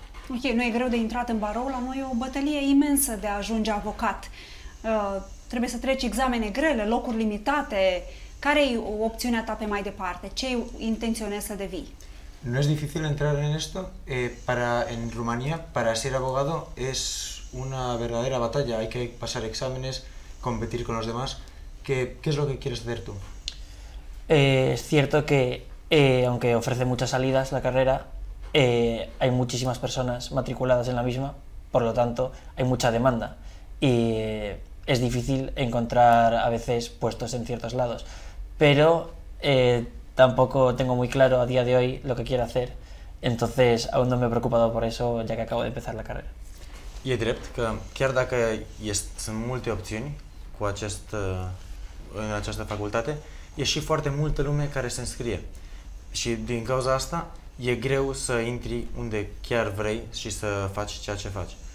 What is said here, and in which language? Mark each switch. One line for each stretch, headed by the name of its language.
Romanian: Ok, nu e greu de intrat în barou, la noi e o bătălie imensă de a ajunge avocat. Trebuie să treci examene grele, locuri limitate. Care e opțiunea ta pe mai departe? Ce intenționezi să devii? Nu e dificil intrare în asta. În România,
Spanish: para ser abogado, es una verdadera batalla. Hay que pasar exámenes, competir con los demás. ¿Qué es lo que quieres hacer tú? Es cierto que, aunque ofrece muchas salidas la carrera, hay muchísimas personas matriculadas en la misma, por lo tanto hay mucha demanda y es difícil encontrar a veces puestos en ciertos lados, pero tampoco tengo muy claro a día de hoy lo que quiero hacer, entonces aún no me he preocupado por eso ya que acabo de empezar la carrera.
Romanian: Y es drept que, chiar dacă sunt multe opțiuni cu acest, în această facultate, e și foarte multă lume care se înscrie și din cauza asta e greu să intri unde chiar vrei și să faci ceea ce faci.